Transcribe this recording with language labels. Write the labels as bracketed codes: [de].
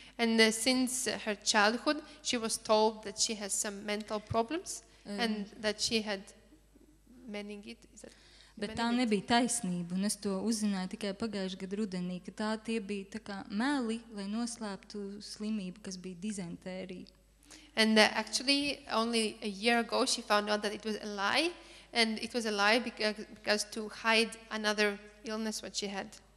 [en] And since her childhood, she was told that she has some mental problems and that she had meningitis. [lv] Bet meningit? Tā nebija taisnība, un es to uzzināju tikai pagājušajā gadā rudenī, ka tā tie bija tā kā meli, lai noslēptu slimību, kas bija dizentērija. [en] And actually, only a year ago, she found out that it was a lie, and it was a lie because to hide another illness what she had.